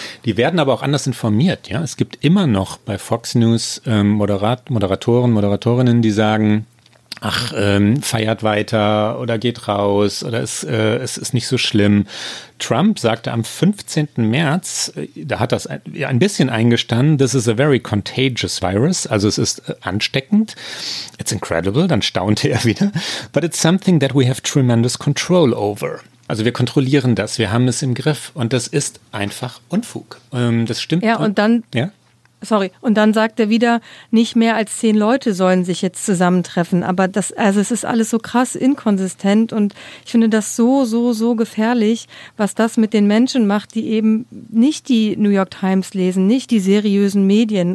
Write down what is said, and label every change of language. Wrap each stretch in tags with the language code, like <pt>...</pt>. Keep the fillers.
<de>Die werden aber auch anders informiert. Ja, es gibt immer noch bei Fox News ähm, Moderat, Moderatoren, Moderatorinnen, die sagen, ach, ähm, feiert weiter oder geht raus oder es, äh, es ist nicht so schlimm. Trump sagte am 15. März, äh, da hat das ein, ja, ein bisschen eingestanden,</de> <en>this is a very contagious virus,</en> <de>also es ist äh, ansteckend.</de> <en>It's incredible,</en> <de>dann staunte er wieder.</de> <en>But it's something that we have tremendous control over.</en> <de>Also wir kontrollieren das, wir haben es im Griff und das ist einfach Unfug. Ähm, das stimmt. Ja, und dann, ja? sorry. Und dann sagt er wieder, nicht mehr als zehn Leute sollen sich jetzt zusammentreffen. Aber das, also es ist alles so krass inkonsistent und ich finde das so, so, so gefährlich, was das mit den Menschen macht, die eben nicht die New York Times lesen, nicht die seriösen Medien.</de>